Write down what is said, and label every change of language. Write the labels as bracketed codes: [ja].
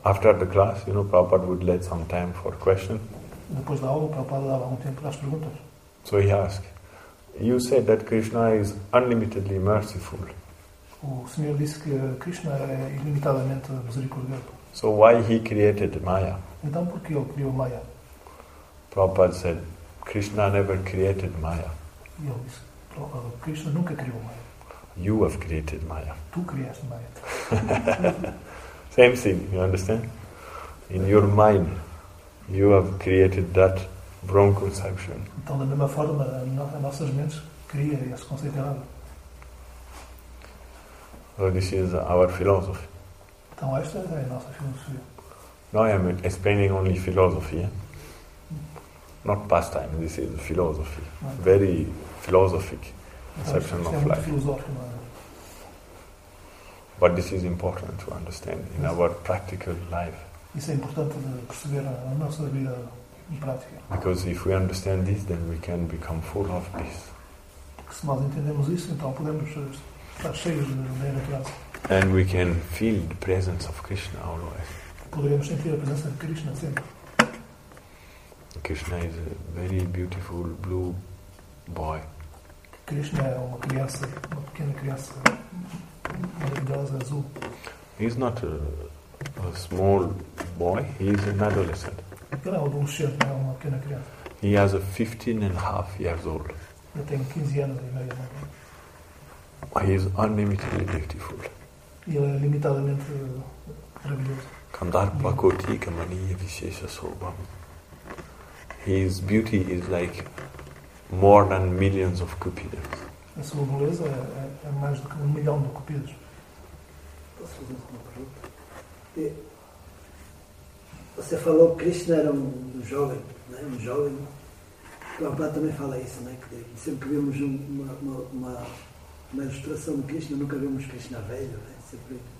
[en] after the class, you know, Prabhupada would let some time for question. [pt] Depois da aula, Prabhupada dava algum tempo para as perguntas. [en] So he asked, you said that Krishna is unlimitedly merciful. [pt] O senhor disse que Krishna é ilimitadamente misericordioso. [en] So why he created Maya? [pt] Então por que ele criou Maya? [en] Prabhupada said, Krishna never created Maya. [pt] E ele disse, Krishna nunca criou Maya. [en] You have created Maya. [pt] Tu criaste Maya. [en] Same thing, you understand? In your mind, you have created that wrong conception. [pt] Então, da mesma forma, a nossas mentes cria esse conceito errado. [en] So this is our philosophy. [pt] Então, esta é a nossa filosofia. [en] No, I am explaining only philosophy. Eh? Not pastime, this is philosophy. Very philosophic conception of life. But this is important to understand in our practical life. [pt] Isso é importante de perceber na nossa vida em prática. [en] Because if we understand this, then we can become full of this. [pt] Porque se nós entendemos isso, então podemos estar cheios de energia. [en] And we can feel the presence of Krishna always. [pt] Poderemos sentir a presença de Krishna sempre. [en] Krishna is a very beautiful blue boy. [pt] Krishna é uma criança, uma pequena criança, maravilhosa, azul. [en] He's not a small boy, he's an adolescent. [pt] Ele é um adolescente, não é uma pequena criança. [en] He has a 15 and a half years old. [pt] Ele tem 15 anos e meio. [en] He is unlimitedly beautiful. [pt] Ele é limitadamente maravilhoso. [sa] Kandarpa koti kamaniya vishesha sorbam. [en] His beauty is like more than millions of cupidas. [pt] A sua beleza é mais do que 1 milhão de cupidos. Posso fazer uma pergunta? Você falou que Krishna era um jovem, não é? Um jovem. Prabhupada também fala isso, não é? Que sempre vemos uma ilustração de Krishna, nunca vemos Krishna velho, não é? Sempre.